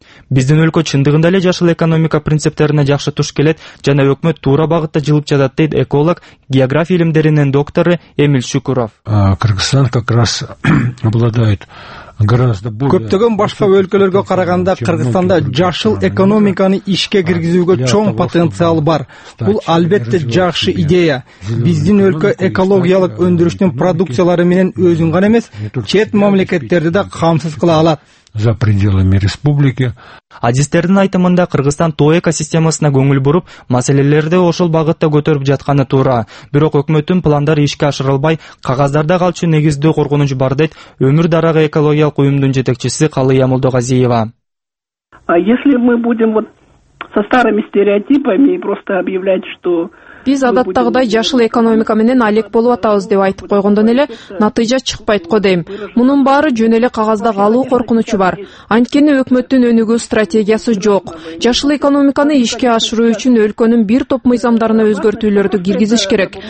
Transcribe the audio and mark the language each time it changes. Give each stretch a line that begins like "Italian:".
Kyrgyz: Биздин өлкө чындыгында эле жашыл экономика принциптерине жакшы туш келет жана өкмөт туура багытта жылып жатат, дейт эколог, география илимдеринин доктору Эмиль Шүкуров.
Russian: Кыргызстан как раз обладает гораздо более.
Kyrgyz: Көптөгөн башка өлкөлөргө караганда Кыргызстанда жашыл экономиканы ишке киргизүүгө чоң потенциал бар. Бул албетте жакшы идея. Биздин өлкө экологиялык өндүрүштүн продукциялары менен өзүн гана эмес, чет мамлекеттерди да камсыз кыла алат.
Russian: За пределами республики.
Kyrgyz: Адистердин айтымында Кыргызстан тоо экосистемасына көңүл буруп, маселелерди ошол багытта көтөрүп жатканы туура. Бирок өкмөттүн пландары ишке ашырылбай, кагаздарда калчу негизде коргонуч бар, дейт Өмүр дарагы экологиялык уюмдун жетекчиси Калыя Молдогазиева.
Russian: А если мы будем вот со старыми стереотипами просто объявлять, что
Kyrgyz: биз адаттагыдай жашыл экономика менен алек болуп атабыз деп айтып койгондон эле натыйжа чыкпайт го дейм. Мунун баары жөн эле кагазда калуу коркунучу бар. Анткени өкмөттүн өнүгүү стратегиясы жок. Жашыл экономиканы ишке ашыруу үчүн өлкөнүн бир топ мыйзамдарына өзгөртүүлөрдү киргизиш керек.